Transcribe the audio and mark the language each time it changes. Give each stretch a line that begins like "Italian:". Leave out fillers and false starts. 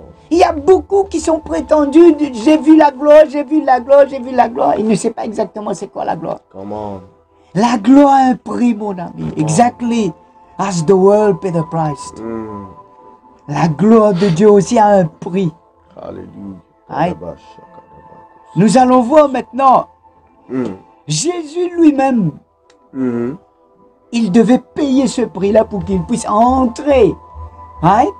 French: Il y a beaucoup qui sont prétendus, j'ai vu la gloire, j'ai vu la gloire, j'ai vu la gloire. Ils ne savent pas exactement c'est quoi la gloire. La gloire a un prix, mon ami.
English: Exactly as the world paid the price.
French: La gloire de Dieu aussi a un prix. Alléluia. Nous allons voir maintenant. Jésus lui-même, il devait payer ce prix-là pour qu'il puisse entrer. Hein?